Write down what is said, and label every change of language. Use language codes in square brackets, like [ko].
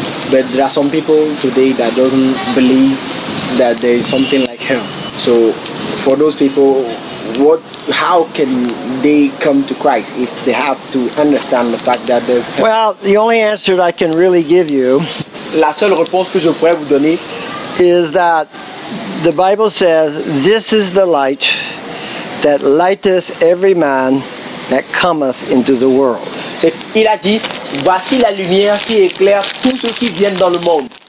[en] But there are some people today that doesn't believe that there is something like hell. So for those people, how can they come to Christ if they have to understand the fact that there's hell? Well, the only answer I can really give you, [fr] la seule réponse que je pourrais vous donner, [en] is that the Bible says this is the light that lighteth every man that cometh into the world. [fr] C'est, il a dit, voici la lumière qui éclaire tous ceux qui viennent dans le monde.